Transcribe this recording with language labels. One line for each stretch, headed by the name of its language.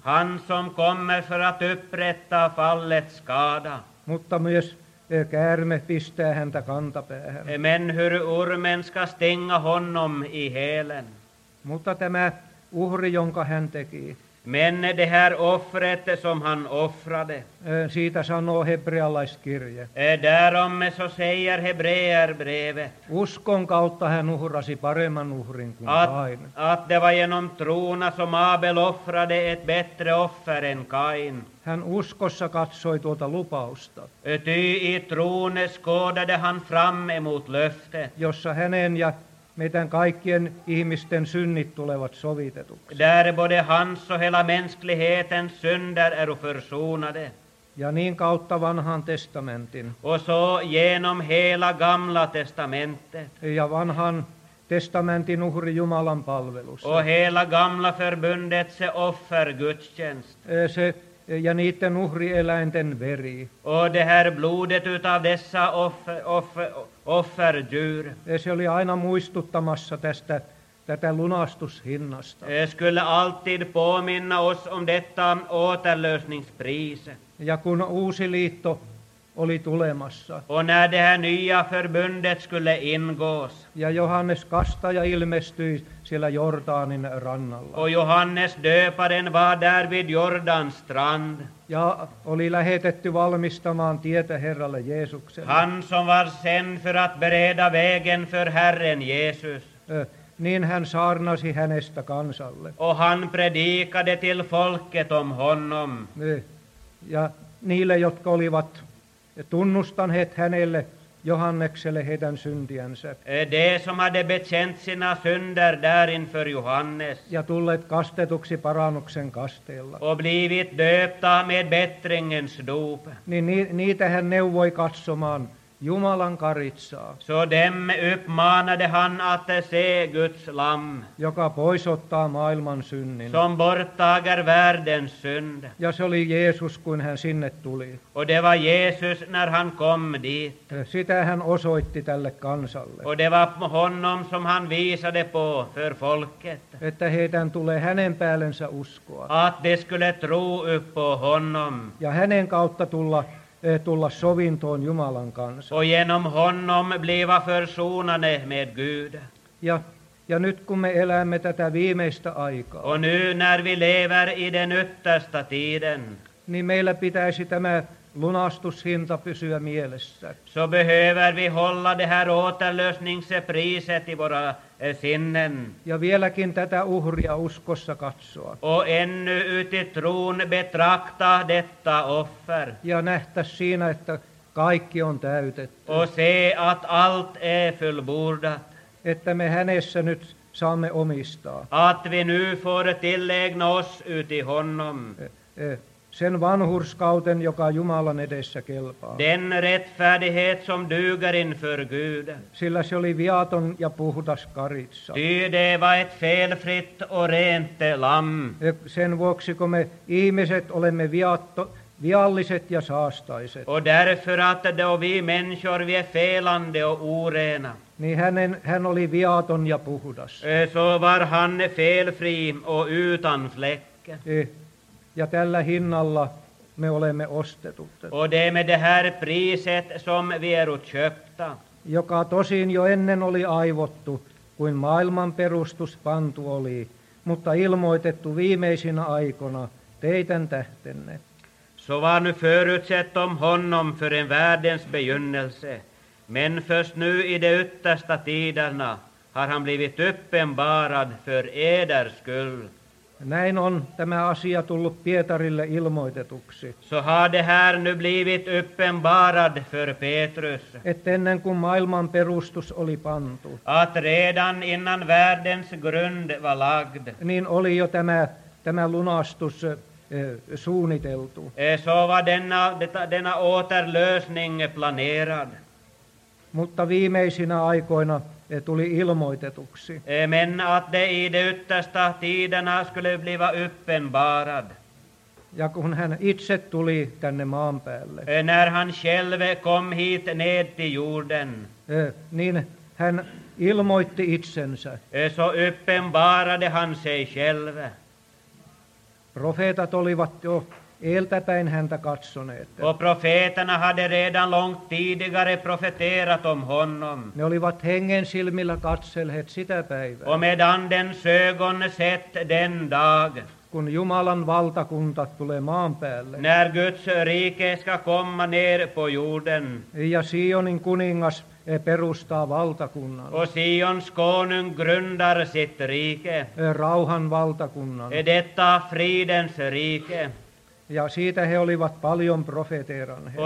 Swedish: Han som kommer för att upprätta fallet skada.
Finnish: Mutta myös käärme pistää häntä kantapäähän.
Swedish: Men hur ormen ska stänga honom i helen.
Finnish: Mutta tämä uhri, jonka hän teki.
Swedish: Men det här offret som han offrade.
Finnish: Siitä sanoo hebrealaiskirje.
Swedish: Därom så säger hebreerbrevet.
Finnish: Uskon kautta hän uhrasi paremman uhrin kuin Kain.
Swedish: Att det var genom trona som Abel offrade ett bättre offer än Kain.
Finnish: Hän uskossa katsoi tuota lupausta.
Swedish: Ty i trone skådade han fram emot löftet.
Finnish: Jossa hänen ja meidän kaikkien ihmisten synnit tulevat sovitetuksi.
Swedish: Där både hans och hela mänsklighetens synder är försonade.
Finnish: Ja niin kautta vanhan testamentin.
Swedish: Och så genom hela gamla testamentet.
Finnish: Ja vanhan testamentin uhri Jumalan palvelus.
Swedish: Och hela gamla förbundet se offer gudstjänst.
Finnish: Se ja niiden uhrieläinten veri.
Swedish: Och det här blodet utav dessa offerdjur.
Finnish: Se oli aina muistuttamassa tätä lunastushinnasta.
Swedish: Skulle alltid påminna oss om detta återlösningspris.
Finnish: Ja kun uusi liitto oli tulemassa.
Swedish: Och när det här nya förbundet skulle ingås.
Finnish: Ja Johannes kastaja ilmestyi siellä Jordanin rannalla.
Swedish: Och Johannes döparen var där vid Jordans strand.
Finnish: Ja oli lähetetty valmistamaan tietä Herralle Jeesukselle.
Swedish: Han som var sen för att bereda vägen för Herren Jesus.
Finnish: Niin hän saarnasi hänestä kansalle.
Swedish: Och han predikade till folket om honom.
Finnish: Ja niille, jotka olivat tunnustaneet hänelle Johannekselle heidän syntiänsä.
Swedish: De som hade bekänt sina synder där inför Johannes.
Finnish: Ja tulleet kastetuksi parannuksen kasteella.
Swedish: Och blivit döpta med bättringens dop.
Finnish: Niin niitä hän neuvoi katsomaan Jumalan karitsaa.
Swedish: Så dem uppmanade han att se Guds lamm.
Finnish: Joka poisottaa maailman synnin.
Swedish: Som borttager världens synd.
Finnish: Ja se oli Jeesus, kun hän sinne tuli.
Swedish: Och det var Jesus när han kom dit.
Finnish: Sitä hän osoitti tälle kansalle.
Swedish: Och det var honom som han visade på för folket.
Finnish: Että heidän tulee hänen päällensä uskoa.
Swedish: Att de skulle tro på honom.
Finnish: Ja hänen kautta tulla sovintoon Jumalan kanssa.
Swedish: Och genom honom bliva försonade med Gud.
Finnish: Ja nyt kun me elämme tätä viimeistä aikaa.
Swedish: Och nu när vi lever i den yttersta tiden.
Finnish: Niin meillä pitäisi tämä lunastushinta pysyä mielessä.
Swedish: Så behöver vi hålla det här återlösningspriset i våra sinnen.
Finnish: Ja vieläkin tätä uhria uskossa katsoa.
Swedish: Och ännu ut i tron betrakta detta offer.
Finnish: Ja nähtä siinä, että kaikki on täytetty.
Swedish: Och se att allt är fullbordat.
Finnish: Että me hänessä nyt saamme omistaa.
Swedish: Att vi nu får tillägna oss ut i honom.
Finnish: sen vanhurskauten, joka Jumalan edessä kelpaa.
Swedish: Den rättfärdighet som duger inför Gud.
Finnish: Sillä se oli viaton ja puhdas karitsa.
Swedish: Ty det var ett felfritt och rent lam.
Finnish: Sen vuoksi, kun me ihmiset olemme vialliset ja saastaiset.
Swedish: Och därför att då vi människor vi är felande och orena.
Finnish: Niin hän oli viaton ja puhdas.
Swedish: Så var han felfri och utan fläck.
Finnish: Ja tällä hinnalla me olemme ostetut.
Swedish: Och det är med det här priset som vi är köpta.
Finnish: Joka tosin jo ennen oli aivottu, kuin maailman perustus pantu oli, mutta ilmoitettu viimeisinä aikoina teidän tähtenne.
Swedish: Så var nu förutsett om honom för en världens begynnelse. Men först nu i de yttersta tiderna har han blivit uppenbarad för eders skull.
Finnish: Näin on tämä asia tullut Pietarille ilmoitetuksi.
Swedish: Så har det här nu blivit uppenbarad för Petrus.
Finnish: Att ennen kuin maailman perustus oli pantu.
Swedish: Att redan innan världens grund var lagd.
Finnish: Niin oli jo tämä lunastus suunniteltu.
Swedish: Så var denna återlösning planerad.
Finnish: Mutta viimeisinä aikoina tuli ilmoitetuksi.
Swedish: Men att det i det yttersta tiderna skulle bli uppenbarad.
Finnish: Ja kun hän itse tuli tänne maan päälle.
Swedish: När han själv kom hit ned till jorden.
Finnish: Niin hän ilmoitti itsensä.
Swedish: Så uppenbarade han sig själv.
Finnish: Profeetat olivat jo eeltäpäin häntä katsoneet.
Swedish: Och profeterna hade redan långt tidigare profeterat om honom.
Finnish: Ne olivat hengen silmillä katselleet sitä päivää.
Swedish: Och med andens ögon sett den dag.
Finnish: Kun Jumalan valtakunta tulee maan päälle.
Swedish: När Guds rike ska komma ner på jorden.
Finnish: Ja Sionin kuningas perustaa valtakunnan.
Swedish: Och Sions konung grundar sitt rike.
Finnish: Rauhan valtakunnan.
Swedish: Detta fridens rike.
Finnish: Ja siitä he olivat paljon profeteeranneet.